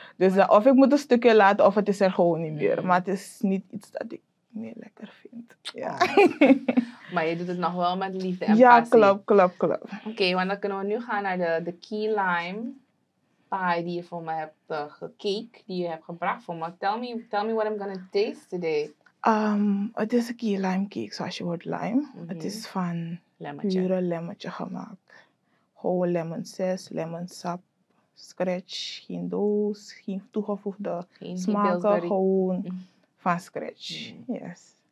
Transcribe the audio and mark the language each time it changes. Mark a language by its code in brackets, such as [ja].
[nl] Dus maar, of ik moet een stukje laten of het is er gewoon niet meer. Mm-hmm. Maar het is niet iets dat ik meer lekker vind. Ja. Oh. Maar je doet het nog wel met liefde en ja, passie. Ja, klop. Oké, want dan kunnen we nu gaan naar de key lime pie die je voor me hebt gekeken, die je hebt gebracht voor me. [en] Tell me what I'm gonna taste today. [nl] Het is een key lime cake, zoals je hoort lime. Mm-hmm. Het is van pure lemmetje gemaakt. [en] Whole lemon zest, lemon sap, [nl] scratch, geen doos, geen toegevoegde geen smaken, gewoon van scratch. [en] Mm-hmm. Yes.